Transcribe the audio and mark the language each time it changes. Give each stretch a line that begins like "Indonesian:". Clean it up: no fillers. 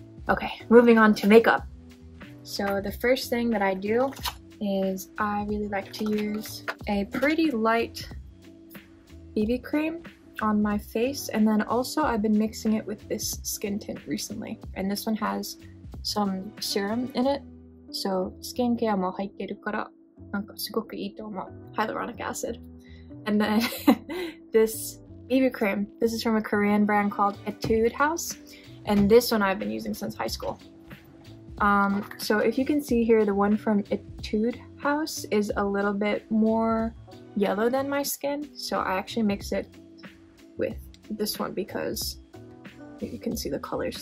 English: Okay, moving on to makeup. So the first thing that I do is I really like to use a pretty light BB cream on my face, and then also I've been mixing it with this skin tint recently, and this one has some serum in it. So skincare
Japanese: も入ってるからなんかすごくいいと思う。
English: Hyaluronic acid. And then this BB cream, this is from a Korean brand called Etude House, and this one I've been using since high school. So if you can see here, the one from Etude House is a little bit more yellow than my skin, so I actually mix it with this one because you can see the colors.